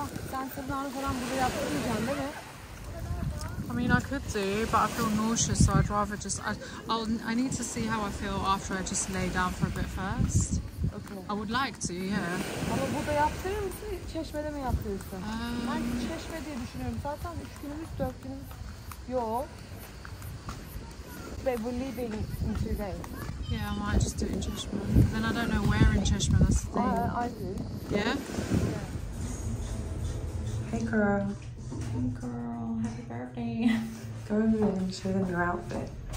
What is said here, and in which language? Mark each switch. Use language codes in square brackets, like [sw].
[tr] Sen sonra falan burada yaptırmayacaksın değil mi? [en] I mean, I could do, but I feel nauseous, so I'd rather just... I need to see how I feel after I just lay down for a bit first. Okay. I would like to, yeah. [tr] Ama burada yaptırır mısın, çeşmede mi yaptırırsın? Ben çeşme diye düşünüyorum. Zaten 3 günümüz, 4 günümüz yok. [en] Ve we're leaving in 2 days. Yeah, I might just do it in çeşme. Then I don't know where in çeşme, that's the thing. I do. Yeah? Yeah. Hey, girl. Girl, happy birthday. Go and show them your outfit.